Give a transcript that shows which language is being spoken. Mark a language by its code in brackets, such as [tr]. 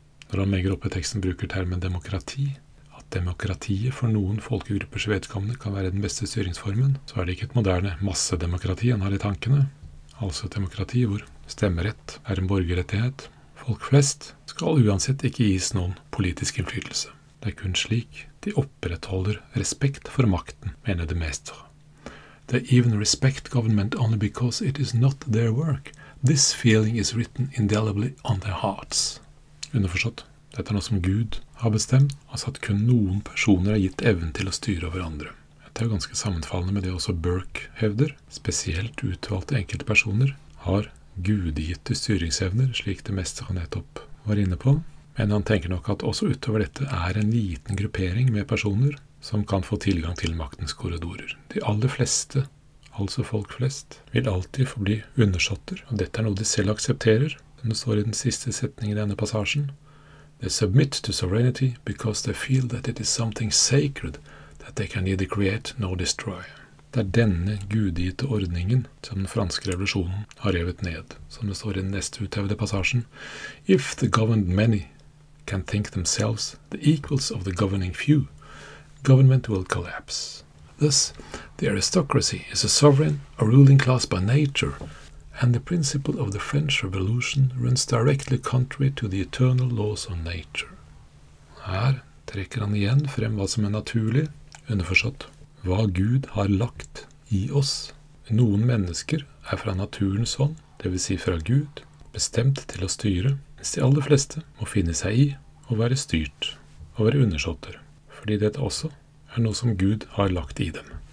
[no] Når han legger opp i teksten bruker termen demokrati, at demokratiet for noen folkegruppers vedkommende kan være den beste styringsformen, så er det ikke et moderne massedemokrati han har i tankene. Altså et demokrati hvor stemmerett er en borgerrettighet. Folk flest skal uansett ikke gis noen politisk innflytelse. Det er kun slik de opprettholder respekt for makten, mener de mestre. [en] They even respect government only because it is not their work. This feeling is written indelibly on their hearts. [no] Underforstått, dette er noe som Gud har bestemt, altså at kun noen personer er gitt evnen til å styre over andre. Dette er jo ganske sammenfallende med det også Burke hevder. Spesielt utvalgte enkelte personer har gudgitte styringsevner, slik det meste han nettopp var inne på. Men han tenker nok at også utover dette er en liten gruppering med personer som kan få tilgang til maktens korridorer. De aller fleste, altså folk flest, vil alltid få bli undersåtter, og dette er noe de selv aksepterer. Det står i den siste setningen i denne passasjen. [en] They submit to sovereignty because they feel that it is something sacred that they can neither create nor destroy. [no] Det er denne gudgitte ordningen som den franske revolusjonen har revet ned, som det står i den neste uthevede passasjen. [en] If the governed many can think themselves the equals of the governing few, government will collapse. Thus, the aristocracy is a sovereign, a ruling class by nature, and the principle of the French Revolution runs directly contrary to the eternal laws of nature. [no] Her trekker han igjen frem hva som er naturlig, underforstått, hva Gud har lagt i oss. Noen mennesker er fra naturens hånd, det vil si fra Gud, bestemt til å styre, mens de aller fleste må finne seg i å være styrt og være undersåtter, fordi dette også er noe som Gud har lagt i dem.